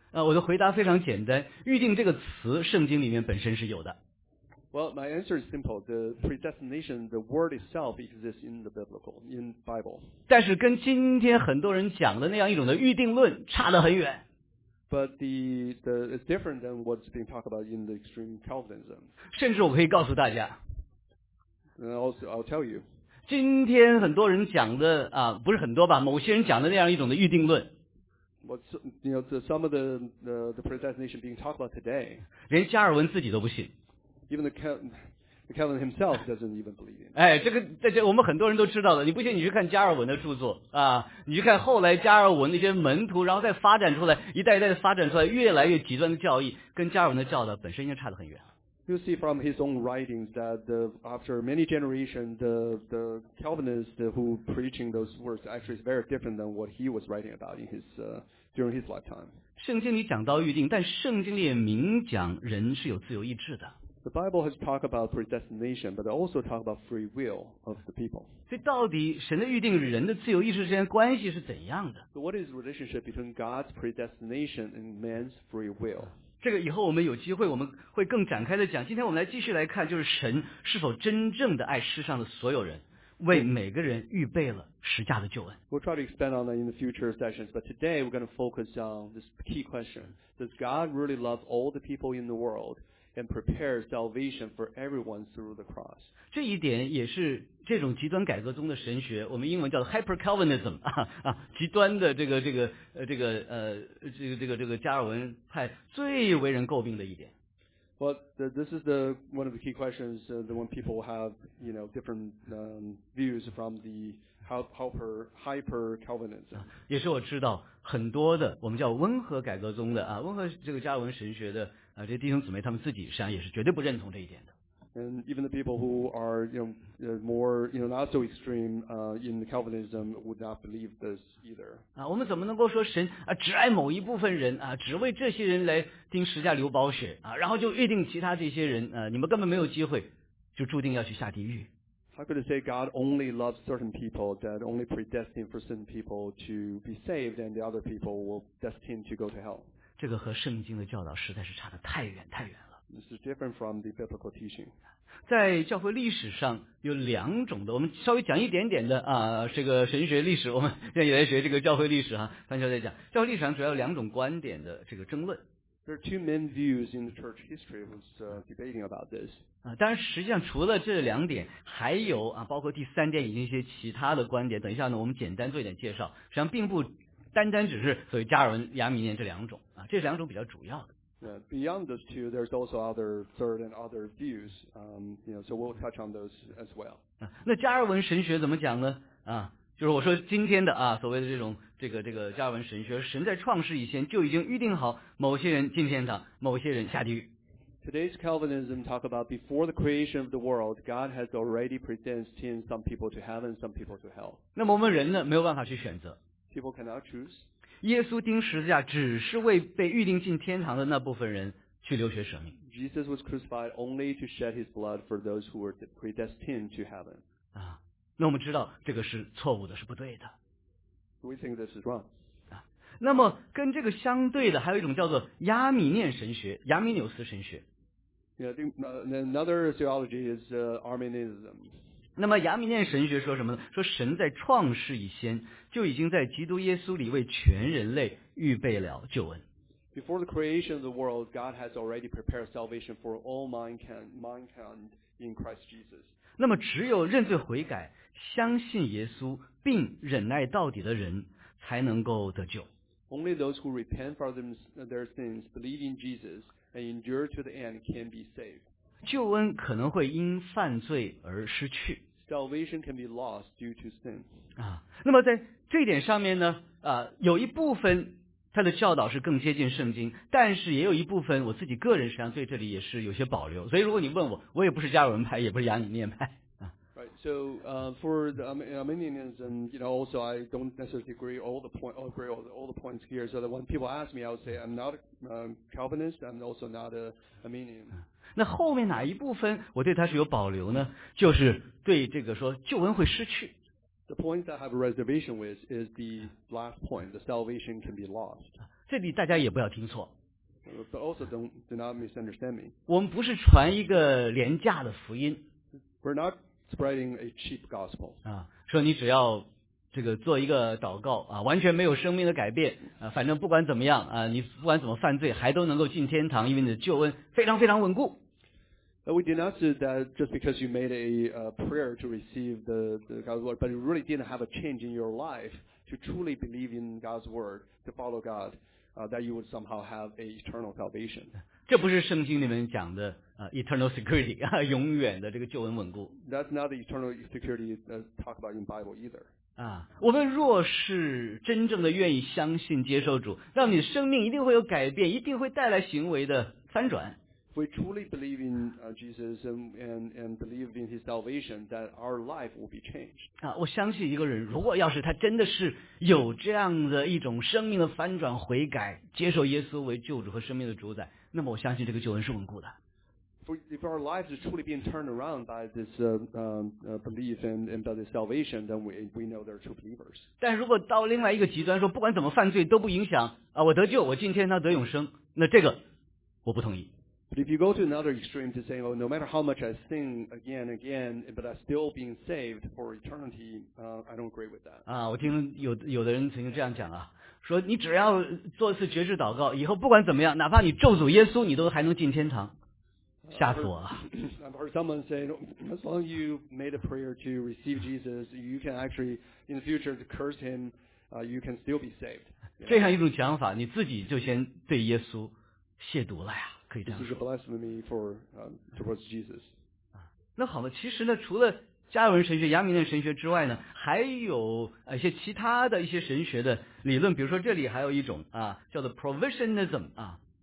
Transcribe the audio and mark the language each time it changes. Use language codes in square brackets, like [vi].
[zh] 我的回答非常简单预定这个词圣经里面本身是有的。 [en] Well, my answer is simple. The predestination, the word itself exists in the biblical, in Bible. [zh] 但是跟今天很多人讲的那样一种的预定论差得很远。 [en] But the it's different than what's being talked about in the extreme Calvinism. [zh] 甚至我可以告诉大家。 [en] I'll tell you. [zh] 今天很多人讲的不是很多吧某些人讲的那样一种的预定论。 [en] What's, you know, some of the predestination being talked about today. [zh] 连加尔文自己都不信。 [en] Even the Calvin himself doesn't even believe in. [zh] 哎，这个大家我们很多人都知道的。你不信，你去看加尔文的著作啊，你去看后来加尔文那些门徒，然后再发展出来一代一代的发展出来越来越极端的教义，跟加尔文的教导本身应该差得很远。 [en] You see from his own writings that the, after many generations, the Calvinist who preaching those words actually is very different than what he was writing about in his, during his lifetime. [zh] 圣经里讲到预定，但圣经里也明讲人是有自由意志的。 [en] The Bible has talked about predestination, but also talk about free will of the people. [zh] 所以到底神的预定与人的自由意志之间关系是怎样的？ [en] So what is the relationship between God's predestination and man's free will? [zh] 这个以后我们有机会我们会更展开的讲，今天我们来继续来看，就是神是否真正的爱世上的所有人，为每个人预备了十架的救恩。 [en] We'll try to expand on that in the future sessions, but today we're going to focus on this key question. Does God really love all the people in the world and prepare salvation for everyone through the cross? [zh] 这一点也是这种极端改革中的神学，我们英文叫做 hyper-Calvinism、极端的这个加尔文派最为人诟病的一点。 [en] Well, this is the one of the key questions, the one people have, you know, different, views from the hyper-Calvinism. [zh] 也是我知道很多的我们叫温和改革中的啊，温和这个加尔文神学的啊，这些弟兄姊妹他们自己实际上也是绝对不认同这一点的。 [en] And even the people who are, you know, more, you know, not so extreme, in the Calvinism would not believe this either. [zh] 啊，我们怎么能够说神啊只爱某一部分人啊，只为这些人来钉十架流宝血啊，然后就预定其他这些人啊，你们根本没有机会，就注定要去下地狱。 [en] How could it say God only loves certain people, that only predestined for certain people to be saved, and the other people will destined to go to hell? [zh] 这个和圣经的教导实在是差得太远太远。 [en] This is different from the biblical teaching. [zh] 在教会历史上有两种的，我们稍微讲一点点的啊，这个神学历史，我们愿意来学这个教会历史啊，翻出来再讲。教会历史上主要有两种观点的这个争论。 [en] There are two main views in the church history was debating about this. [zh] 啊，当然实际上除了这两点，还有啊，包括第三点以及一些其他的观点。等一下呢，我们简单做一点介绍。实际上并不单单只是所谓加尔文、亚米尼这两种啊，这两种比较主要的。 [en] Beyond those two, there's also other third and other views. You know, so we'll touch on those as well. [zh] 那加尔文神学怎么讲呢？啊，就是我说今天的啊，所谓的这种这个加尔文神学，神在创世以前就已经预定好某些人进天堂，某些人下地狱。 [en] Today's Calvinism talk about before the creation of the world, God has already predestined some people to heaven, some people to hell. [zh] 那么我们人呢，没有办法去选择。 [en] People cannot choose. [zh] 耶稣钉十字架只是为被预定进天堂的那部分人去留学舍命。 [en] Jesus was crucified only to shed his blood for those who were predestined to heaven. [zh] 啊，那我们知道这个是错误的，是不对的。 [en] We think this is wrong. [zh] 啊，那么跟这个相对的还有一种叫做亚米念神学，亚米纽斯神学。 [en] Yeah, another theology is Arminianism. [zh] 那么亚米念神学说什么呢？说神在创世以先就已经在基督耶稣里为全人类预备了救恩。 [en] Before the creation of the world, God has already prepared salvation for all mankind in Christ Jesus. [zh] 那么只有认罪悔改、相信耶稣并忍耐到底的人才能够得救。 [en] Only those who repent for their sins, believe in Jesus, and endure to the end can be saved. [zh] 救恩可能会因犯罪而失去。 [en] Salvation can be lost due to sin. [zh] 啊，那么在这一点上面呢，有一部分他的教导是更接近圣经，但是也有一部分我自己个人实际上对这里也是有些保留。所以如果你问我，我也不是加尔文派，也不是亚米念派。 [en] Right. So, for the Arminianism, you know, also I don't necessarily agree all the point, agree all the points here. So that when people ask me, I would say I'm not a Calvinist. I'm also not a Arminian. [zh] 那后面哪一部分我对他是有保留呢？就是对这个说救恩会失去。 [en] The point that I have a reservation with is the last point, the salvation can be lost. [zh] 这里大家也不要听错。 [en] But also do not misunderstand me. [zh] 我们不是传一个廉价的福音。 [en] We're not spreading a cheap gospel. [zh] 啊，说你只要这个做一个祷告啊，完全没有生命的改变啊，反正不管怎么样啊，你不管怎么犯罪，还都能够进天堂，因为你的救恩非常非常稳固。 [en] We did not say that just because you made a prayer to receive the God's word, but you really didn't have a change in your life to truly believe in God's word, to follow God. that you would somehow have an eternal salvation. [zh] 这不是圣经里面讲的 [en] eternal security, [zh] 永远的这个救恩稳固。 [en] That's not the eternal security talked about in Bible either. [zh] 啊，我们若是真正的愿意相信接受主，让你生命一定会有改变，一定会带来行为的翻转。 [en] If we truly believe in Jesus and believe in his salvation, that our life will be changed. [zh] 啊，我相信一个人，如果要是他真的是有这样的一种生命的翻转悔改，接受耶稣为救主和生命的主宰，那么我相信这个救恩是稳固的。 [en] If our lives are truly being turned around by this belief and by this salvation, then we know they're true believers. [zh] 但如果到另外一个极端，说不管怎么犯罪都不影响啊，我得救，我进天堂得永生，那这个我不同意。 [en] But if you go to another extreme to say, oh, no matter how much I sin again and again, but I'm still being saved for eternity, I don't agree with that. [zh] 啊，我听有的人曾经这样讲啊，说你只要做一次决志祷告，以后不管怎么样，哪怕你咒诅耶稣，你都还能进天堂。吓死我了。 [en] I've heard someone say, as long as you made a prayer to receive Jesus, you can actually, in the future, to curse him, you can still be saved. [zh] 这样一种讲法，你自己就先对耶稣亵渎了呀，可以这样说。 [en] This is a blasphemy for, towards Jesus. [zh] 那好了，其实呢，除了加尔文神学、阳明顿神学之外呢，还有一些其他的一些神学的理论，比如说这里还有一种啊，叫做 provisionism 啊。